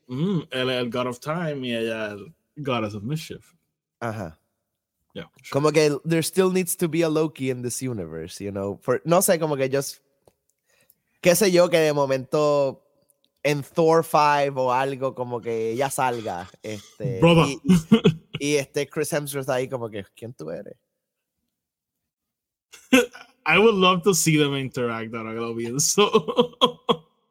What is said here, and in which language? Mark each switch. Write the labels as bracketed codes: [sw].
[es] Él es el God of Time y ella es el Goddess of Mischief. Ajá. [en] Yeah, sure. [es] Como que [en] there still needs to be a Loki in this universe, you know. For, [es] no sé, como que [en] just... [es] Qué sé yo, que de momento... En Thor 5 o algo como que ya salga. Este, [en] brother. [es] Y este Chris Hemsworth ahí como que, ¿quién tú eres? [en] I would love to see them interact, [es] ahora que lo pienso.